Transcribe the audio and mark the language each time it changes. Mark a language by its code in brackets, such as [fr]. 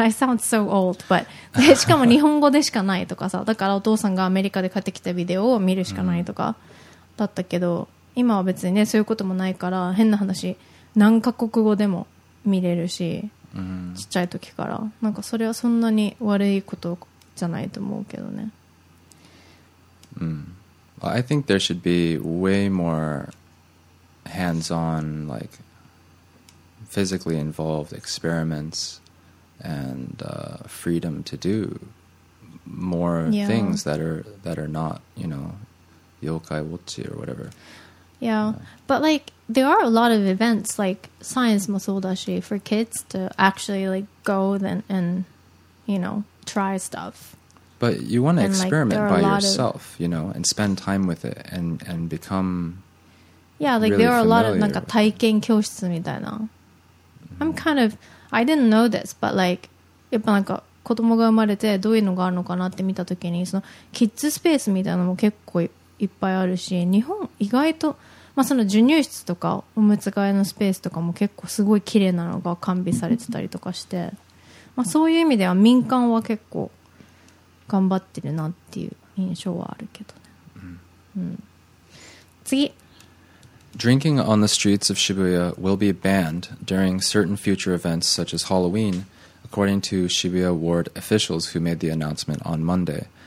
[ja] I sound so old but でしかも日本語でしかないとかさ、だからお父さんがアメリカで買ってきたビデオを見るしかないとかだったけど、mm-hmm. 今は別にねそういうこともないから、変な話何カ国語でも見れるし、 mm-hmm. ちっちゃい時からなんかそれはそんなに悪いことじゃないと思うけどね。うん、mm-hmm. [en] I think there should be way more hands-on, like, physically involved experiments and freedom to do more things that are not, you know, yokai wotchi or whatever. Yeah, but like there are a lot of events like science masodashi for kids to actually like go then and you know try stuff. But you want to experiment like, by yourself, of, you know, and spend time with it and become. Yeah, like really there are a lot of like 体験教室みたいな. [ja] I'm kind of I didn't know this, but like やっぱなんか 子供が生まれてどういうのがあるのかなって見た時に そのキッズスペースみたいなのも結構いっぱいあるし 日本意外と まあその授乳室とかおむつ替えのスペースとかも結構すごい綺麗なのが完備されてたりとかして まあそういう意味では民間は結構頑張ってるなっていう印象はあるけどね。次。 [en] Drinking on the streets of Shibuya will be banned during certain future events such as Halloween, according to Shibuya ward officials who made the announcement on Monday.